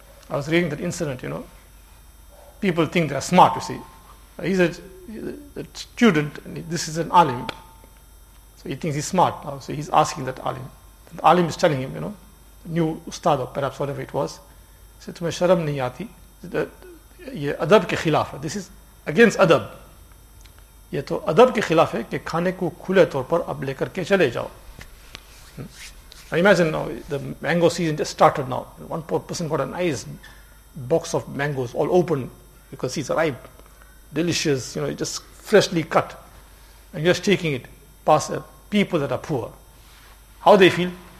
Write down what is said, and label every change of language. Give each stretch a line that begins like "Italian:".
English: I was reading that incident, you know. People think they're smart, you see. He's a student, and this is an alim. So he thinks he's smart now. So he's asking that alim. The alim is telling him, you know, the new ustad or perhaps whatever it was. He said,
Urdu: "Tumhe sharam nahi aati." یہ ادب کے خلاف ہے.
English: This is against
Urdu: ادب. یہ تو ادب کے خلاف ہے کہ کھانے کو کھلے طور پر اب لے کر کے چلے جاؤ.
English: Imagine now the mango season just started now. One poor person got a nice box of mangoes all open. You can see it's ripe, delicious, you know, just freshly cut. And you're just taking it past people that are poor. How they feel?